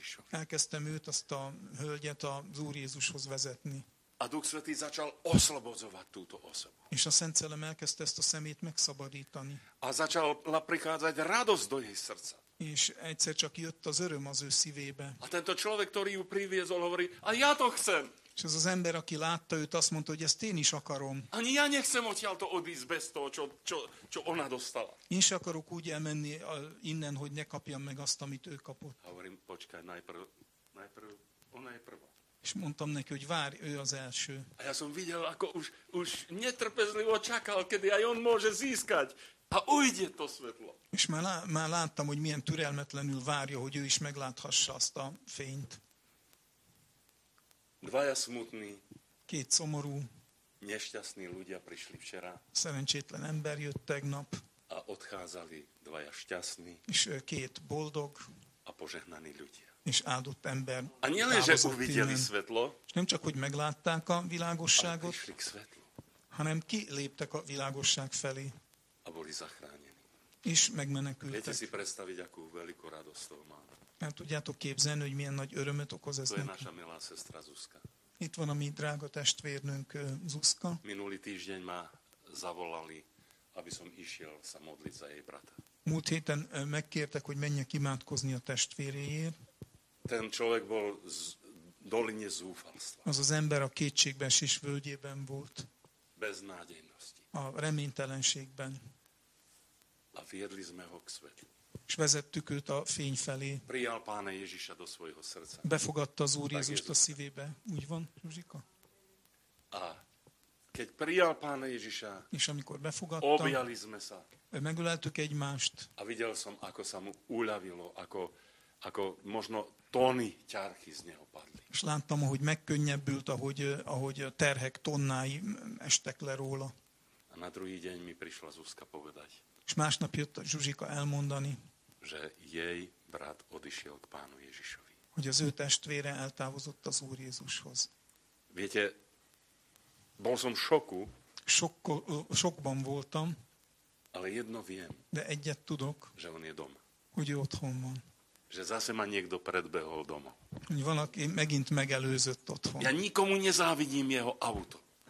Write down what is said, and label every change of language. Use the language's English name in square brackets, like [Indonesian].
[Hungarian] Elkezdtem őt, azt a hölgyet az Úr Jézushoz vezetni. [Slovak] A Duch Svätý začal oslobodzovať túto osobu. [Hungarian] És a Szent Szellem elkezdte ezt a szemét megszabadítani. [Slovak] A začala prichádzať radosť do jej srdca. [Hungarian] És egyszer csak jött az öröm az ő szívébe. [Slovak] A tento človek, ktorý ju priviezol, hovorí, a ja to chcem. [Hungarian] És az ember, aki látta őt, azt mondta, hogy ezt én is akarom. [Slovak] Ani ja nechcem odtiaľto odísť bez toho, čo ona dostala. [Hungarian] Én se akarok úgy elmenni innen, hogy ne kapjam meg azt, amit ő kapott. [Slovak] Hovorím, počkaj, najprv ona je prvá. [Hungarian] És mondtam neki, hogy várj, ő az első. [Slovak] A ja som videl, ako už netrpezlivo čakal, kedy aj on môže získať. A ujde to svetlo. [Hungarian] És már láttam, hogy milyen türelmetlenül várja, hogy ő is megláthassa azt a fényt. [Slovak] Dvaja smutní. [Hungarian] Két szomorú. [Slovak] Nešťastní ľudia prišli včera. [Hungarian] Szerencsétlen ember jött tegnap. [Slovak] A odcházali dvaja šťastní. [Hungarian] És két boldog. [Slovak] A požehnaní ľudia. [Hungarian] És áldott ember. [Slovak] A nielen, že uvideli svetlo. [Hungarian] És nem csak, hogy meglátták a világosságot, hanem kiléptek a világosság felé. [Slovak] A boli zachránení. [Hungarian] És megmenekültek. [Slovak] Viete si predstaviť, akú veľkú radosť toho má. [Hungarian] Nem tudjátok képzelni, hogy milyen nagy örömet okoz ez neki. [Slovak] To je naša milá sestra Zuzka. [Hungarian] Itt van a mi drága testvérnünk Zuzka. [Slovak] Minulý týždeň ma zavolali, aby som išiel sa modliť za jej brata. [Hungarian] Múlt héten megkértek, hogy menjek imádkozni a testvéréért. [Slovak] Ten človek bol z doline zúfalstva. [Hungarian] Az az ember a kétségbeesés völgyében volt. [Slovak] Bez nádejnosti. [Hungarian] A reménytelenségben. [Slovak] A viedli sme ho k svetlu. [Hungarian] És vezettük őt a fény felé. [Slovak] Prijal Pána Ježiša do svojho srdca. [Hungarian] Befogadta az Úr Jézust a szívébe. Úgy van, Zsuzsika? [Slovak] A keď prijal Pána Ježiša, [Hungarian] és amikor befogadta, [Slovak] objali sme sa. [Hungarian] Megöleltük egymást. [Slovak] A videl som, ako sa mu uľavilo, ako možno tóny ťarchy z neho padli. [Hungarian] És láttam, ahogy megkönnyebbült, ahogy terhek tonnái estek le róla. [Slovak] A na druhý deň mi prišla Zuzka povedať. [Hungarian] És másnap jött a Zsuzsika elmondani, [Slovak] že jej brat odišiel k Pánu Ježišovi. [Hungarian] Hogy az ő testvére eltávozott az Úr Jézushoz. [Slovak] Viete, bol som šoku. [Hungarian] Šokban voltam. [Slovak] Ale jedno viem. [Hungarian] De egyet tudok. [Slovak] Že on je doma. [Hungarian] Hogy ő otthon van. [Slovak] Že zase ma niekto predbehol doma. [Hungarian] Hogy valaki megint megelőzött otthon. [Slovak] Ja nikomu nezávidím jeho auto.